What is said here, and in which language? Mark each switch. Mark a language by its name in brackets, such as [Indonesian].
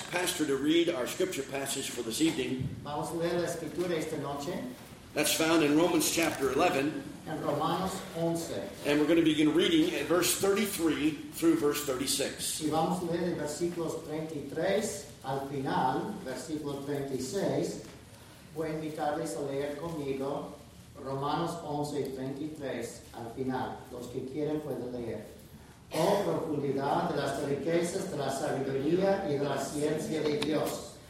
[English] pastor to read our scripture passage for this evening. [Spanish] Vamos a leer la escritura esta noche. [English] That's found in Romans chapter 11. And Romanos 11. And we're going to begin reading at verse 33 through verse 36. [Spanish] Y vamos a leer versículos 33 al final, versículo 36. Voy a invitarles a leer conmigo Romanos 11, 33 al final. Los que quieren pueden leer. Oh, profundidad de las riquezas de la sabiduría y de la ciencia de Dios.